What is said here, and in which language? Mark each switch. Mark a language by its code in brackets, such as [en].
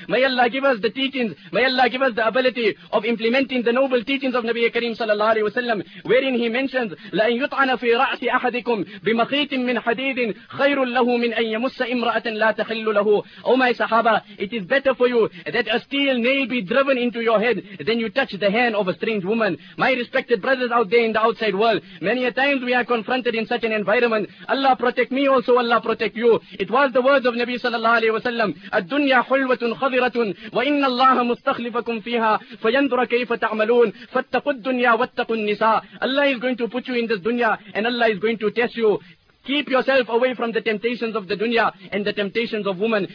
[en] May Allah give us the teachings. May Allah give us the ability of implementing the noble teachings of Nabi Kareem sallallahu alayhi wa sallam, wherein he mentions, [ar] لَأَنْ يُطْعَنَ فِي رَأْسِ أَحَدِكُمْ بِمَخِيطٍ مِّنْ حَدِيدٍ خَيْرٌ لَهُ مِنْ أَنْ يَمُسَّ إِمْرَأَةً لَا تَخِلُّ لَهُ. [en] O my Sahaba, it is better for you that a steel nail be driven into your head than you touch the hand of a strange woman. My respected brothers out there in the outside world, many a times we are confronted in such an environment. Allah protect me also, Allah protect you. It was the words of Nabi sallallahu alayhi wa sallam, [ar] الدُّنْيَا حُلْوَةٌ خَضِرَةٌ وَإِنَّ اللَّهَ مُسْتَخْلِفَكُمْ فِيهَا فَيَنْدُرَ كَيْفَ تَعْمَلُونَ فَاتَّقُوا الدُّنْيَا وَاتَّقُوا النِّسَاءَ. [en] Allah is going to put you in this dunya and Allah is going to test you. Keep yourself away from the temptations of the dunya and the temptations of women.